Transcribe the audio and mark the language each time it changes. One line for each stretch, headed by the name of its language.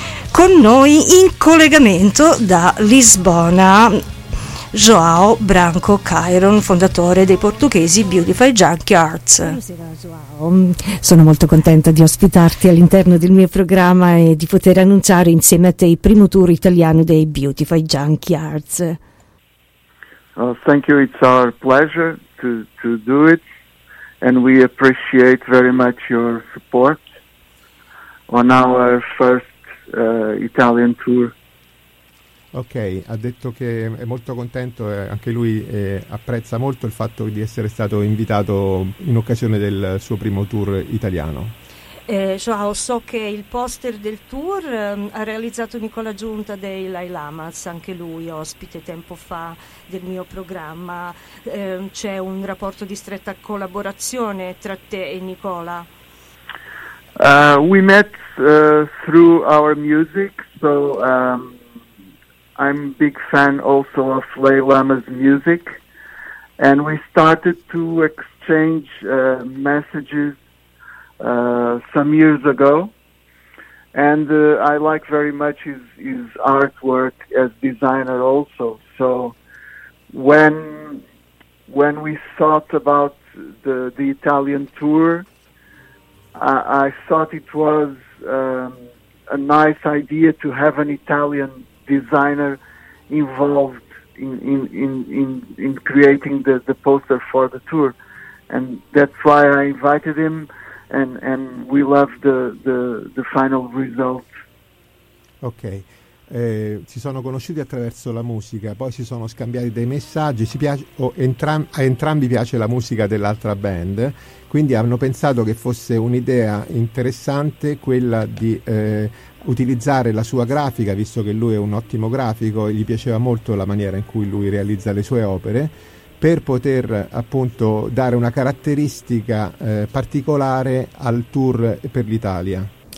Italian: Con noi in collegamento da Lisbona, João Branco Cairon, fondatore dei portoghesi Beautify Junkie Arts. Buonasera João, sono molto contenta di ospitarti all'interno del mio programma e di poter annunciare insieme a te il primo tour italiano dei Beautify Junkie Arts.
English: Thank you, it's our pleasure to do it, and we appreciate very much your support on our first Italian tour.
Italian: Ok, ha detto che è molto contento, anche lui apprezza molto il fatto di essere stato invitato in occasione del suo primo tour italiano. João, so che il poster del tour ha realizzato Nicola Giunta dei Lai Lamas, anche lui ospite tempo fa del mio programma. C'è un rapporto di stretta collaborazione tra te e Nicola?
English: We met through our music, so I'm a big fan also of Lai Lama's music, and we started to exchange messages some years ago, and I like very much his artwork as designer also. So when we thought about the Italian tour, I thought it was a nice idea to have an Italian designer involved in creating the poster for the tour, and that's why I invited him. And we love the final result.
Italian: Ok, si sono conosciuti attraverso la musica, poi si sono scambiati dei messaggi, a entrambi piace la musica dell'altra band, quindi hanno pensato che fosse un'idea interessante quella di utilizzare la sua grafica, visto che lui è un ottimo grafico e gli piaceva molto la maniera in cui lui realizza le sue opere, per poter appunto dare una caratteristica particolare al tour per l'Italia.